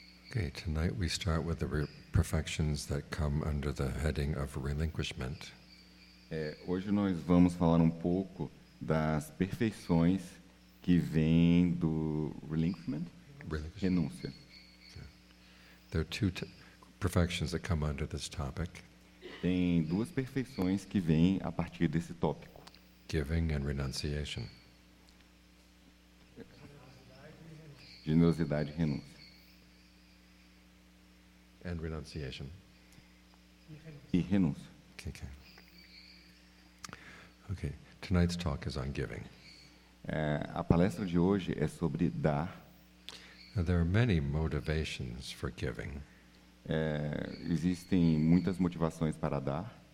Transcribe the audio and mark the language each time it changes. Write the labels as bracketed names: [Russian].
[English] Okay, tonight we start with the perfections that come under the heading of relinquishment. [Portuguese] Hoje nós vamos falar pouco das perfeições que vêm do relinquishment, renúncia. [English] There are two perfections that come under this topic. [Portuguese] Tem duas perfeições que vêm a partir desse tópico. [English] Giving and renunciation. [Portuguese] Generosidade e renúncia. [English] And renunciation. [Portuguese] E renúncia. [English] Okay. Tonight's talk is on giving. [Portuguese] A palestra de hoje é sobre dar. [English] Now, there are many motivations for giving. [Portuguese] Existem muitas motivações para dar.